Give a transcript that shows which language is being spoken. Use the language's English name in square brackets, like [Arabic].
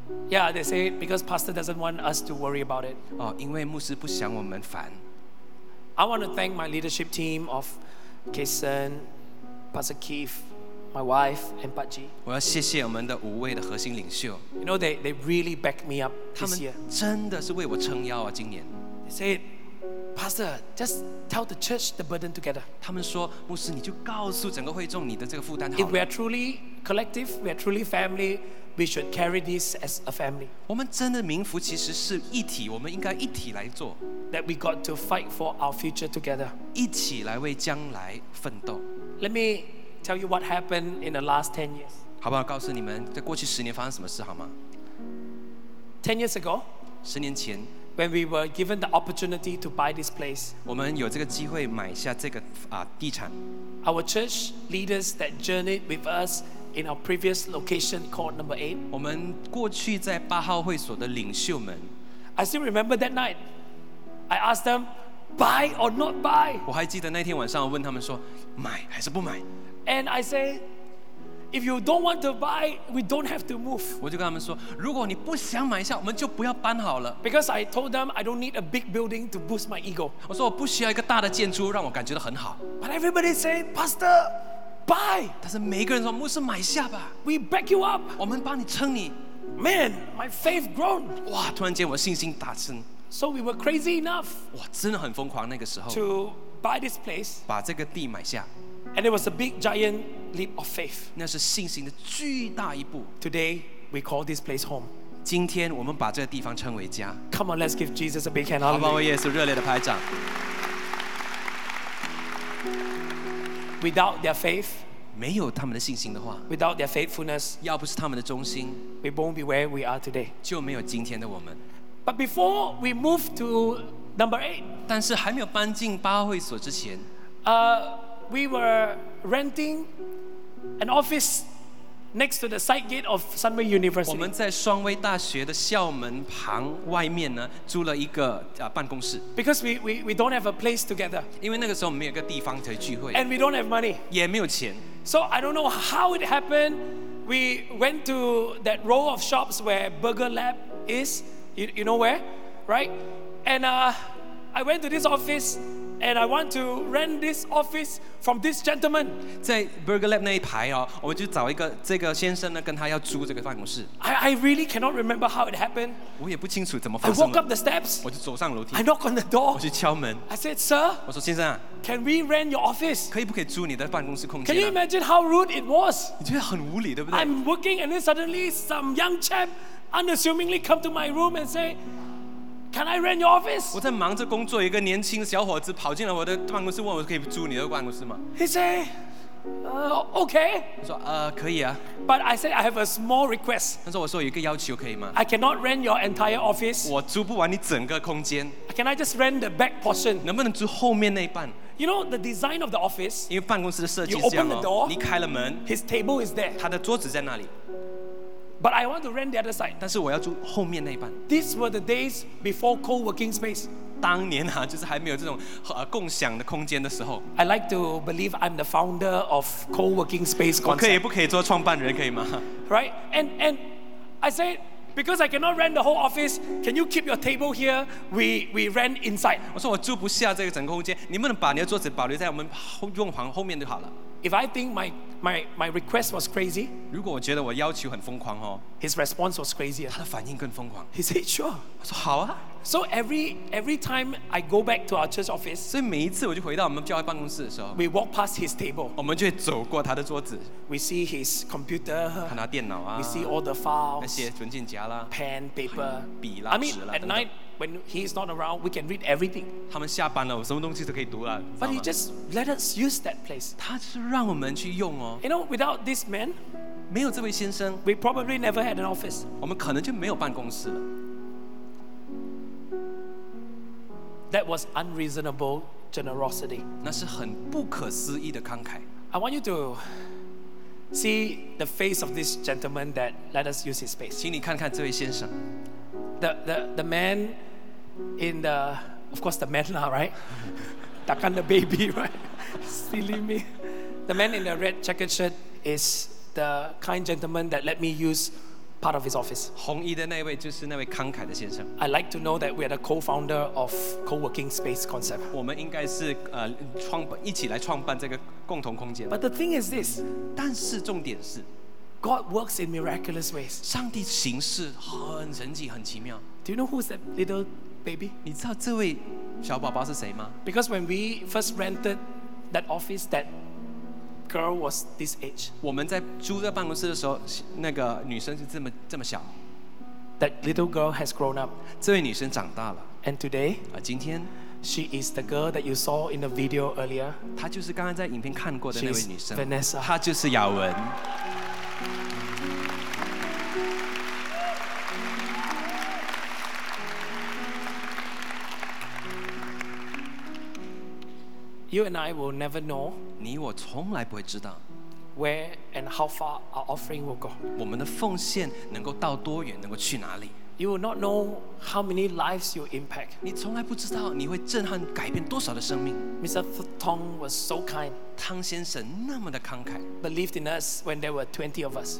[English] Yeah, they say because pastor doesn't want us to worry about it. [Chinese] 哦，因为牧师不想我们烦。 [English] I want to thank my leadership team of Kason, Pastor Keith, my wife, and Pachi. [Chinese] 我要谢谢我们的五位的核心领袖。 [English] You know, they really backed me up this year. [Chinese] 他们真的是为我撑腰啊，今年。 [English] They said, Pastor, just tell the church the burden together. [Chinese] 他们说，牧师，你就告诉整个会众你的这个负担好了。 [English] If we are truly collective, we are truly family, we should carry this as a family. [Chinese] 我们真的名副其实是一体，我们应该一体来做。 [English] That we got to fight for our future together. [Chinese] 一起来为将来奋斗。 [English] Let me tell you what happened in the last 10 years. [Chinese] 好不好？告诉你们，在过去10年发生什么事好吗？ [English] 10 years ago. [Chinese] 10年前。 [English] When we were given the opportunity to buy this place, [Chinese] 我们有这个机会买下这个地产。 [English] Our church leaders that journeyed with us in our previous location called number 8, [Chinese] 我们过去在八号会所的领袖们。 [English] I still remember that night. I asked them, buy or not buy? [Chinese] 我还记得那天晚上问他们说，买还是不买？ [English] And I say, if you don't want to buy, we don't have to move. [Chinese] 我就跟他们说，如果你不想买下，我们就不要搬好了。 [English] Because I told them I don't need a big building to boost my ego. [Chinese] 我说我不需要一个大的建筑让我感觉得很好。 [English] But everybody say, Pastor, buy. [Chinese] 但是每一个人说，牧师买下吧。 [English] We back you up. [Chinese] 我们帮你撑你。 [English] Man, my faith grown. [Chinese] 哇，突然间我信心大增。 [English] So we were crazy enough. [Chinese] 哇，真的很疯狂那个时候。 [English] To buy this place. [Chinese] 把这个地买下。 [English] And it was a big giant leap of faith. [Chinese] 那是信心的巨大一步。 [English] Today, we call this place home. [Chinese] 今天我们把这个地方称为家。 [English] Come on, let's give Jesus a big hand. Hallelujah. [Chinese] 好吧，为耶稣热烈的拍掌。 [English] Without their faith, [Chinese] 没有他们的信心的话， [English] without their faithfulness， [Chinese] 要不是他们的忠心， [English] we won't be where we are today， [Chinese] 就没有今天的我们。 [English] But before we move to number eight， [Chinese] 但是还没有搬进八会所之前， [English] we were renting an office next to the side gate of Sunway University。 [Chinese] 我们在双威大学的校门旁外面呢，租了一个办公室。 [English] Because we don't have a place together， [Chinese] 因为那个时候没有个地方可以聚会。 [English] And we don't have money， [Chinese] 也没有钱。 [English] So I don't know how it happened. We went to that row of shops where Burger Lab is. You know where, right? And I went to this office, and I want to rent this office from this gentleman. [Chinese] 在 Burger Lab 那一排哦，我就找一个这个先生呢，跟他要租这个办公室。 [English] I really cannot remember how it happened. [Chinese] 我也不清楚怎么发生。 [English] I walk up the steps. [Chinese] 我就走上楼梯。 [English] I knock on the door. [Chinese] 我去敲门。 [English] I said, sir. [Chinese] 我说先生啊。 [English] Can we rent your office? [Chinese] 可以不可以租你的办公室空间啊？ [English] Can you imagine how rude it was? [Chinese] 你觉得很无理，对不对？ [English] I'm working and then suddenly some young chap unassumingly come to my room and say, "Can I rent your office?" [Chinese] 我在忙着工作，一个年轻小伙子跑进了我的办公室，问我可以租你的办公室吗？ [English] He said, "Okay." [Chinese] 我说可以啊。 [English] But I said I have a small request. [Chinese] 他说我说有一个要求可以吗？ [English] I cannot rent your entire office. [Chinese] 我租不完你整个空间。 [English] Can I just rent the back portion? [Chinese] 能不能租后面那一半？ [English] You know the design of the office. [Chinese] 因为办公室的设计是这样哦。 [English] You open the door. [Chinese] 你开了门。 [English] His table is there. [Chinese] 他的桌子在那里。 [English] But I want to rent the other side. [Chinese] 但是我要住后面那一半。 [English] These were the days before co-working space. [Chinese] 当年啊，就是还没有这种共享的空间的时候。 [English] I like to believe I'm the founder of co-working space concept. [Chinese] 我可以不可以做创办人，可以吗？ [English] Right? And I said, because I cannot rent the whole office, can you keep your table here? We rent inside. [Chinese] 我说我住不下这个整个空间，你们把你的桌子保留在我们用房后面就好了。 [English] If I think my request was crazy, [Chinese] 如果我觉得我要求很疯狂哦， [English] his response was crazier. [Chinese] 他的反应更疯狂。 [English] He said, sure. [Chinese] 我说好啊。 [English] So every time I go back to our church office, [Chinese] 所以每一次我就回到我们教会办公室的时候， [English] we walk past his table. [Chinese] 我们就会走过他的桌子。 [English] We see his computer. [Chinese] 看他电脑啊。 [English] We see all the files. [Chinese] 那些文件夹啦。 [English] Pen, paper. [Chinese] 笔啦，纸啦。 [English] I mean, at night when he is not around, we can read everything. [Chinese] 他们下班了，我什么东西都可以读了。 [English] But he just let us use that place. [Chinese] 他是让我们去用哦。 [English] You know, without this man, [Chinese] 没有这位先生， [English] we probably never had an office. [Chinese] 我们可能就没有办公室了。 [English] That was unreasonable generosity. [Chinese] 那是很不可思议的慷慨。 [English] I want you to see the face of this gentleman that let us use his space. [Chinese] 请你看看这位先生。 [English] The man in the, of course the man lah, right? [Malay] Takkan [English] the baby, right? Silly me. The man in the red checkered shirt is the kind gentleman that let me use part of his office. [Chinese] 红衣的那位就是那位慷慨的先生。 [English] I like to know that we are the co-founder of co-working space concept. [Chinese] 我们应该是一起来创办这个共同空间。 [English] But the thing is this, [Chinese] 但是重点是， [English] God works in miraculous ways. [Chinese] 上帝行事很神奇，很奇妙。 [English] Do you know who's that little baby? [Chinese] 你知道这位小宝宝是谁吗？ [English] Because when we first rented that office, that girl was this age. [Chinese] 我们在租这办公室的时候，那个女生是这么小。 [English] That little girl has grown up. [Chinese] 这位女生长大了。 [English] And today, [Chinese] 今天， [English] she is the girl that you saw in the video earlier. [Chinese] 她就是刚刚在影片看过的那位女生。 [English] Vanessa. [Chinese] 她就是雅文。 [English] You and I will never know. [Chinese] 你我从来不会知道。 [English] Where and how far our offering will go. [Chinese] 我们的奉献能够到多远，能够去哪里。 [English] You will not know how many lives you impact. [Chinese] 你从来不知道你会震撼改变多少的生命。 [English] Mr. Tong was so kind. [Chinese] 汤先生那么的慷慨。 [English] Believed in us when there were 20 of us.